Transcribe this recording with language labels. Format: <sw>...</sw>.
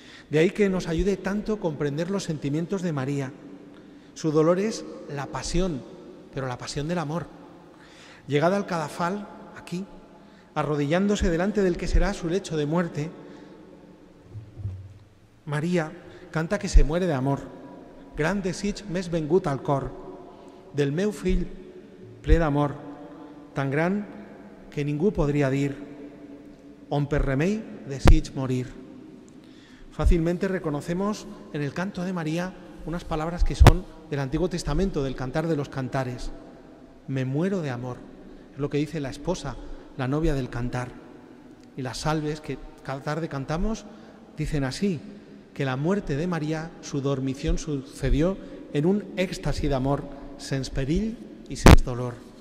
<es>De ahí que nos ayude tanto comprender los sentimientos de María. Su dolor es la pasión, pero la pasión del amor. Llegada al cadafal, aquí, arrodillándose delante del que será su lecho de muerte, María canta que se muere de amor.</es> <ca>Gran desig més vengut al cor, del meu fill ple d'amor, tan gran que ningú podria dir, on per remei desig morir.</ca> <es>Fácilmente reconocemos en el canto de María unas palabras que son del Antiguo Testamento, del Cantar de los Cantares. Me muero de amor, es lo que dice la esposa, la novia del cantar. Y las salves que cada tarde cantamos dicen así, que la muerte de María, su dormición sucedió en un éxtasis de amor,</es> <ca>sens perill y sens dolor.</ca>